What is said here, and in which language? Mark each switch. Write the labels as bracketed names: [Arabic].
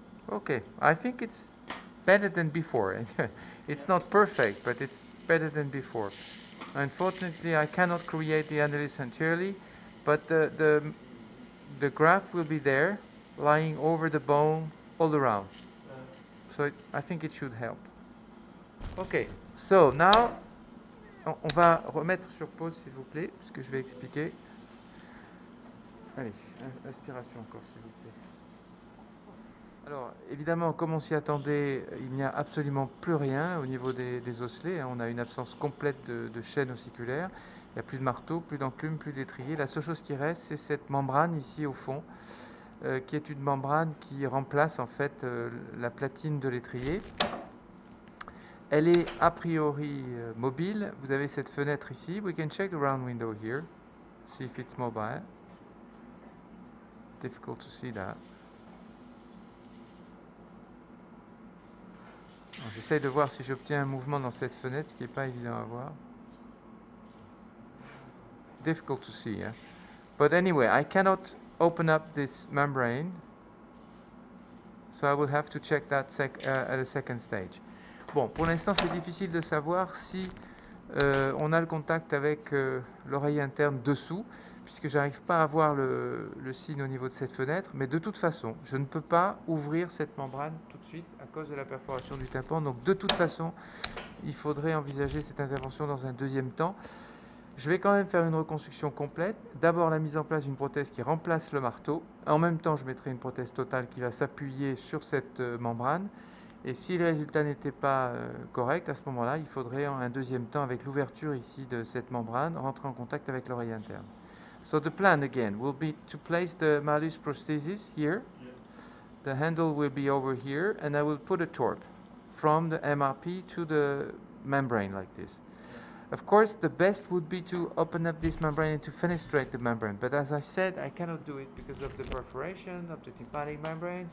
[English] Okay, I think it's better than before. It's not perfect, but it's better than before. Unfortunately, I cannot create the annulus anteriorly, but the graft will be there, lying over the bone all around. So I think it should help. Okay, so now, [French] on va remettre sur pause, s'il vous plaît, parce que je vais expliquer. Allez, aspiration encore, s'il vous plaît. Alors, évidemment, comme on s'y attendait, il n'y a absolument plus rien au niveau des osselets. On a une absence complète de chaîne ossiculaire. Il n'y a plus de marteau, plus d'enclume, plus d'étrier. La seule chose qui reste, c'est cette membrane ici au fond, qui est une membrane qui remplace en fait la platine de l'étrier. Elle est a priori mobile. Vous avez cette fenêtre ici. [English] We can check the round window here, see if it's mobile. Difficult to see that. [French] J'essaie de voir si j'obtiens un mouvement dans cette fenêtre, ce qui n'est pas évident à voir. [English] Difficult to see, yeah. But anyway, I cannot open up this membrane, so I will have to check that at a second stage. [French] Bon, pour l'instant, c'est difficile de savoir si on a le contact avec l'oreille interne dessous, puisque je n'arrive pas à voir le signe au niveau de cette fenêtre. Mais de toute façon, je ne peux pas ouvrir cette membrane tout de suite à cause de la perforation du tympan. Donc, de toute façon, il faudrait envisager cette intervention dans un deuxième temps. Je vais quand même faire une reconstruction complète. D'abord, la mise en place d'une prothèse qui remplace le marteau. En même temps, je mettrai une prothèse totale qui va s'appuyer sur cette membrane. Et si les résultats n'étaient pas corrects, à ce moment-là, il faudrait en un deuxième temps, avec l'ouverture ici de cette membrane, rentrer en contact avec l'oreille interne. [English] So the plan again will be to place the malleus prosthesis here. Yeah. The handle will be over here, and I will put a TORP from the MRP to the membrane like this. Of course, the best would be to open up this membrane and to fenestrate the membrane. But as I said, I cannot do it because of the perforation of the tympanic membrane.